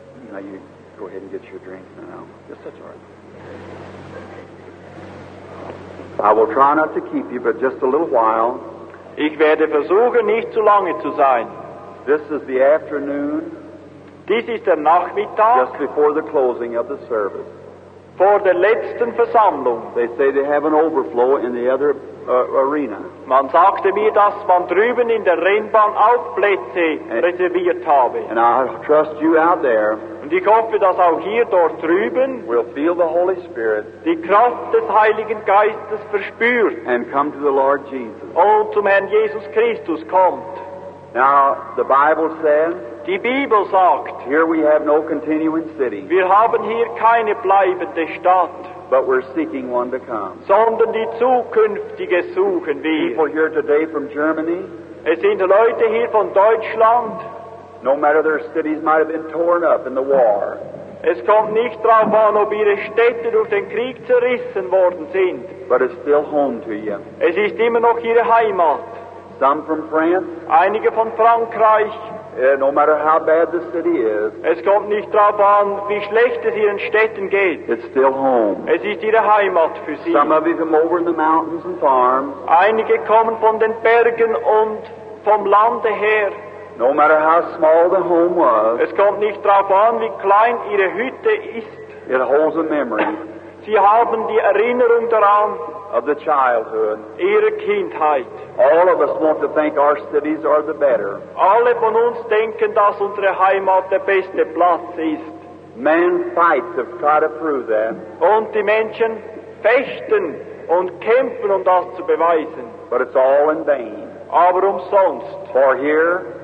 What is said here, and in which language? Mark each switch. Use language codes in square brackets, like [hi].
[en] Now you go ahead and get your drink now. Yes, that's all right. I will try not to keep you, but just a little while. [de] Ich werde versuchen, nicht zu lange zu sein. [en] This is the afternoon. [de] Dies ist der Nachmittag. [en] Just before the closing of the service. [de] Vor der letzten Versammlung. [en] They say they have an overflow in the other arena. [de] Man sagte mir, dass man drüben in der Rennbahn auch Plätze reserviert habe. [en] And I trust you out there. [de] Und ich hoffe, dass auch hier dort drüben [en] will feel the Holy Spirit, [de] die Kraft des Heiligen Geistes verspürt, [en] and come to the Lord Jesus. [de] Und zum Herrn Jesus Christus kommt. [en] Now the Bible says, [de] die Bibel sagt, [en] here we have no continuing city, [de] wir haben hier keine bleibende Stadt, [en] but we're seeking one to come, [de] sondern die zukünftige suchen wir. [en] People here today from Germany, [de] es sind Leute hier von Deutschland, [en] no matter their cities might have been torn up in the war, [de] es kommt nicht drauf an, ob ihre Städte durch den Krieg zerrissen worden sind, [en] but it's still home to you, [de] es ist immer noch ihre Heimat. [en] Some from France, [de] einige von Frankreich. [en] No matter how bad the city is, [de] es kommt nicht drauf an, wie schlecht es ihren Städten geht. [en] It's still home. [de] Es ist ihre Heimat für sie. [en] Some of you from over in the mountains and farms, [de] einige kommen von den Bergen und vom Lande her. [en] No matter how small the home was, [de] es kommt nicht drauf an, wie klein ihre Hütte ist. [en] It holds a memory. [de] Sie haben die Erinnerung daran. [en] Of the childhood. [de] Ihre Kindheit. [en] All of us want to think our cities are the better. [de] Alle von uns denken, dass unsere Heimat der beste Platz ist. [en] Man fights to try to prove that. [de] Und die Menschen fechten und kämpfen, um das zu beweisen. [en] But it's all in vain. [de] Aber umsonst. [en] For here,